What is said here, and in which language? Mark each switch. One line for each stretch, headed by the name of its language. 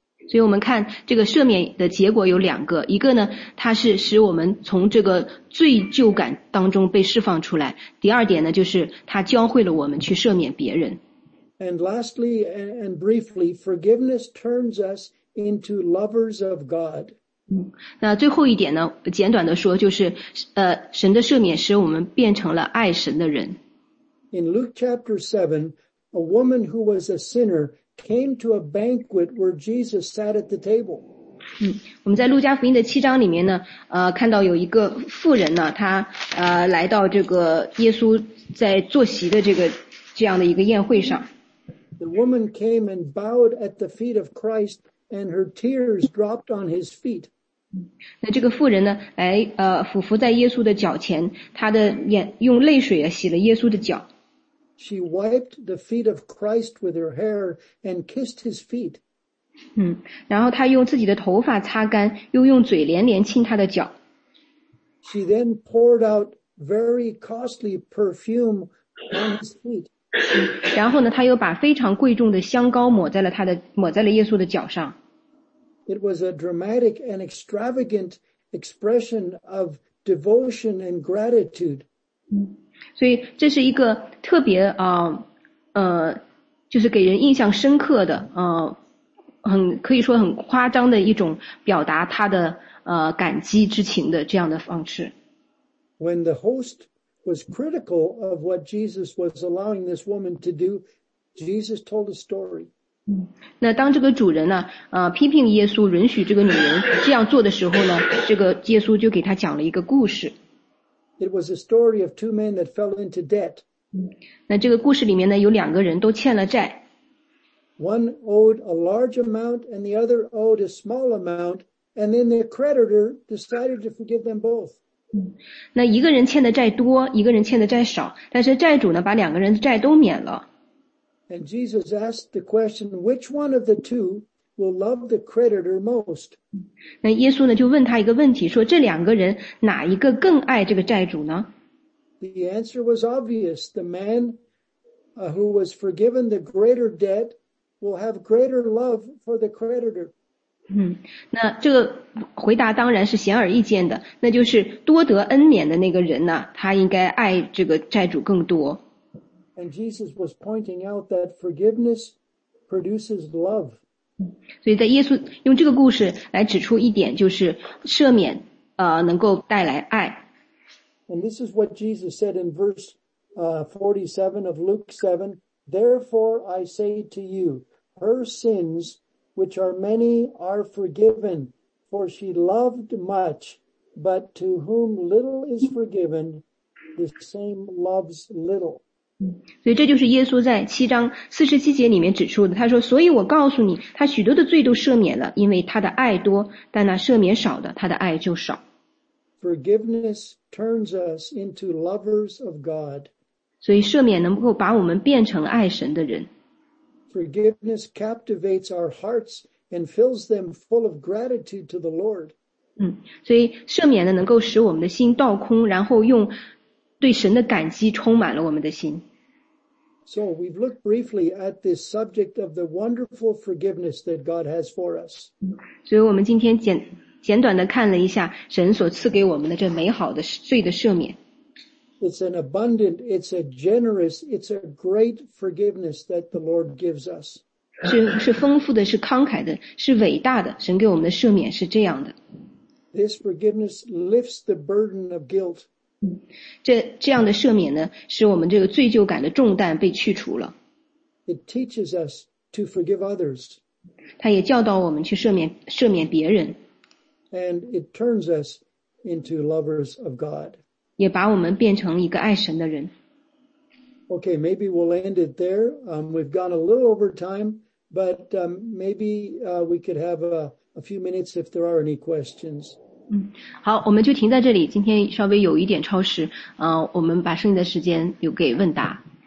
Chinese: 所以我们看这个赦免的结果有两个，一个呢，它是使我们从这个罪疚感当中被释放出来；第二点呢，就是它教会了我们去赦免别人。
English: And lastly, and briefly, forgiveness turns us. Into lovers of God.
Chinese: 那最后一点呢，简短的说就是神的赦免使我们变成了爱神的人。
English: In Luke chapter 7, a woman who was a sinner came to a banquet where Jesus sat at the table.
Chinese: 我们在路加福音的七章里面呢，看到有一个妇人呢，她来到这个耶稣在坐席的这样的一个宴会上。
English: The woman came and bowed at the feet of Christ. And her tears dropped on his feet.
Chinese: 那这个妇人呢，来俯伏在耶稣的脚前，她的眼用泪水啊洗了耶稣的脚。
English: She wiped the feet of Christ with her hair and kissed his feet.
Chinese: 然后她用自己的头发擦干，又用嘴连连亲他的脚。
English: She then poured out very costly perfume on his feet.
Chinese: 然后呢，他又把非常贵重的香膏抹在了耶稣的脚上。
English: It was a dramatic and extravagant expression of devotion and gratitude.
Chinese: 所以这是一个特别就是给人印象深刻的很可以说很夸张的一种表达他的感激之情的这样的方式。
English: When the host was critical of what Jesus was allowing this woman to do, Jesus told a story.
Chinese: 那当这个主人呢，批评耶稣允许这个女人这样做的时候呢，这个耶稣就给他讲了一个故事。
English: It was a story of two men that fell into debt.
Chinese: 那这个故事里面呢，有两个人都欠了债。
English: One owed a large amount and the other owed a small amount, and then the creditor decided to forgive them both.
Chinese: 那一个人欠的债多，一个人欠的债少，但是债主呢，把两个人的债都免了。
English: And Jesus asked the question, which one of the two will love the creditor most?
Chinese: 那耶稣呢，就问他一个问题，说这两个人哪一个更爱这个债主呢？
English: The answer was obvious. The man who was forgiven the greater debt will have greater love for the creditor.
Chinese: 那这个回答当然是显而易见的，那就是多得恩典的那个人呢，他应该爱这个债主更多。
English: And Jesus was pointing out that forgiveness produces love.
Chinese: 所以在耶稣用这个故事来指出一点，就是赦免能够带来爱。
English: And this is what Jesus said in verse 47 of Luke 7. Therefore, I say to you, her sins, which are many, are forgiven, for she loved much, but to whom little is forgiven, the same loves little.
Chinese: 所以这就是耶稣在七章四十七节里面指出的，他说，所以我告诉你，他许多的罪都赦免了，因为他的爱多，但那赦免少的，他的爱就少。
English: Forgiveness turns us into lovers of God.
Chinese: 所以赦免能够把我们变成爱神的人。
English: Forgiveness captivates our hearts and fills them full of gratitude to the Lord.
Chinese: 所以赦免呢能够使我们的心倒空，然后用对神的感激充满了我们的心。
English: So we've looked briefly at this subject of the wonderful forgiveness that God has for us.
Chinese: 所以我们今天简短地看了一下神所赐给我们的这美好的罪的赦免。
English: It's an abundant, it's a generous, it's a great forgiveness that the Lord gives us.
Chinese: 是丰富的，是慷慨的，是伟大的，神给我们的赦免是这样的。
English: This forgiveness lifts the burden of guilt.
Chinese: 这样的赦免呢，使我们这个罪疚感的重担被去除了。
English: It teaches us to forgive others.
Chinese: 它也教导我们去赦免别人。
English: And it turns us into lovers of God.
Chinese: 也把我们变成一个爱神的人。
English: Okay, maybe we'll end it there. We've gone a little over time, but we could have a few minutes if there are any questions.
Chinese: 好，我们就停在这里。今天稍微有一点超时，我们把剩下的时间留给问答。